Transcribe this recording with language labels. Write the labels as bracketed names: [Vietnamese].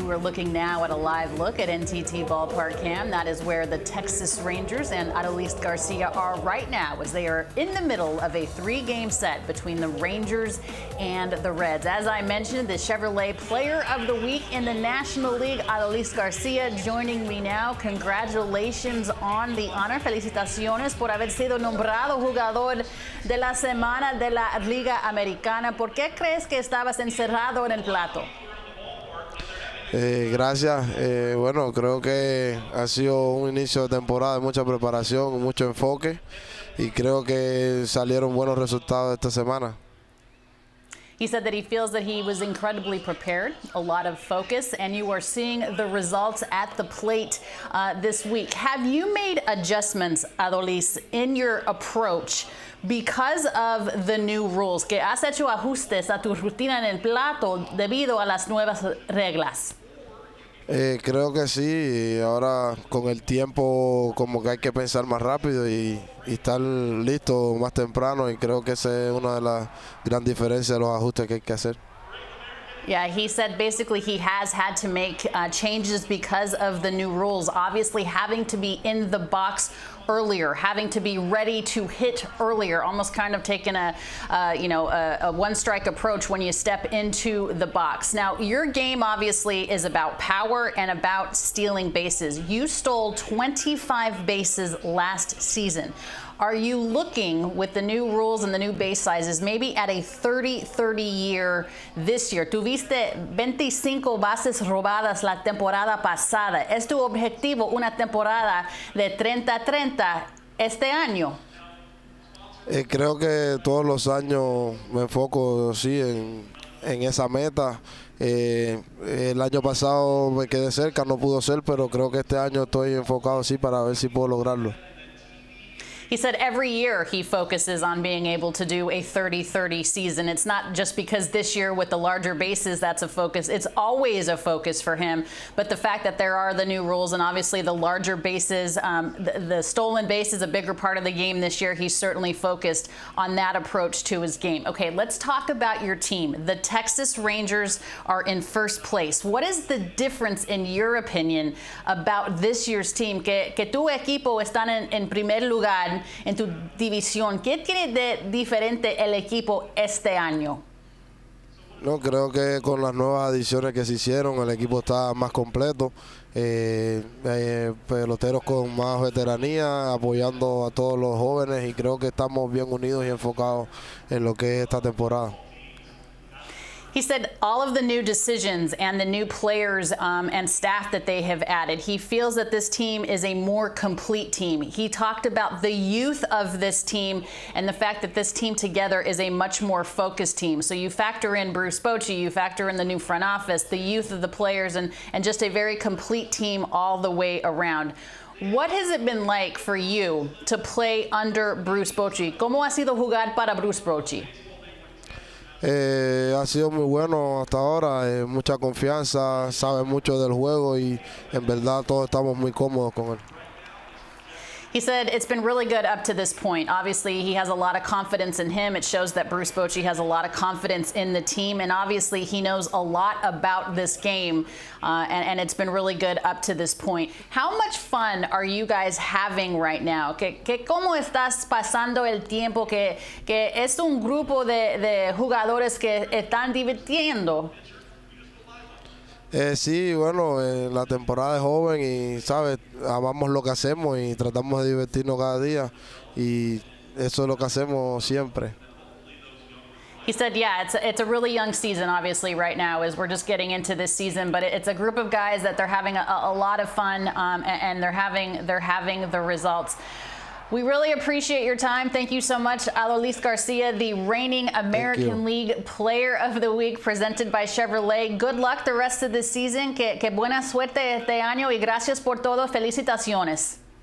[English] You are looking now at a live look at NTT Ballpark Cam. That is where the Texas Rangers and Adolis García are right now as they are in the middle of a three-game set between the Rangers and the Reds. As I mentioned, the Chevrolet Player of the Week in the National League, Adolis García, joining me now. Congratulations on the honor. [Spanish] Felicitaciones por haber sido nombrado jugador de la semana de la Liga Americana. ¿Por qué crees que estabas encerrado en el plato? Gracias. Bueno, creo que ha sido un inicio de temporada, mucha preparación, mucho enfoque, y creo que salieron buenos resultados esta semana. [English] He said that he feels that he was incredibly prepared, a lot of focus, and you are seeing the results at the plate this week. Have you made adjustments, Adolis, in your approach because of the new rules? [Spanish] ¿Que has hecho ajustes a tu rutina en el plato debido a las nuevas reglas? Creo que sí. Ahora con el tiempo como que hay que pensar más rápido y estar listo más temprano, y creo que esa es una de las gran diferencias de los ajustes que hay que hacer. [English] Yeah, he said basically he has had to make changes because of the new rules. Obviously having to be in the box earlier, having to be ready to hit earlier, almost kind of taking a one strike approach when you step into the box. Now, your game obviously is about power and about stealing bases. You stole 25 bases last season. Are you looking, with the new rules and the new base sizes, maybe at a 30-30 year this year? [Spanish] Tuviste 25 bases robadas la temporada pasada. ¿Es tu objetivo una temporada de 30-30 este año? Creo que todos los años me enfoco, sí, en esa meta. El año pasado me quedé cerca, no pudo ser, pero creo que este año estoy enfocado, sí, para ver si puedo lograrlo. [English] He said every year he focuses on being able to do a 30-30 season. It's not just because this year with the larger bases that's a focus. It's always a focus for him. But the fact that there are the new rules and obviously the larger bases, the stolen base is a bigger part of the game this year. He's certainly focused on that approach to his game. Okay, let's talk about your team. The Texas Rangers are in first place. What is the difference, in your opinion, about this year's team? [Spanish] Que tu equipo están en primer lugar en tu división. ¿Qué tiene de diferente el equipo este año? No, creo que con las nuevas adiciones que se hicieron, el equipo está más completo. Peloteros con más veteranía, apoyando a todos los jóvenes, y creo que estamos bien unidos y enfocados en lo que es esta temporada. [English] He said all of the new decisions and the new players and staff that they have added, he feels that this team is a more complete team. He talked about the youth of this team and the fact that this team together is a much more focused team. So you factor in Bruce Bochy, you factor in the new front office, the youth of the players, and just a very complete team all the way around. What has it been like for you to play under Bruce Bochy? [Spanish] ¿Cómo ha sido jugar para Bruce Bochy? Ha sido muy bueno hasta ahora, mucha confianza, sabe mucho del juego, y en verdad todos estamos muy cómodos con él. [English] He said it's been really good up to this point. Obviously, he has a lot of confidence in him. It shows that Bruce Bochy has a lot of confidence in the team, and obviously he knows a lot about this game, and it's been really good up to this point. How much fun are you guys having right now? [Spanish] ¿Qué cómo estás pasando el tiempo? ¿Qué es un grupo de jugadores que están divirtiendo? Sí, bueno, la temporada es joven y, ¿sabes? Amamos lo que hacemos y tratamos de divertirnos cada día, y eso es lo que hacemos siempre. [English] He said, yeah, it's a really young season, obviously, right now, as we're just getting into this season. But it's a group of guys that they're having a lot of fun, and they're having the results. We really appreciate your time. Thank you so much, Adolis García, the reigning American League Player of the Week presented by Chevrolet. Good luck the rest of the season. [Spanish] Que buena suerte este año y gracias por todo. Felicitaciones.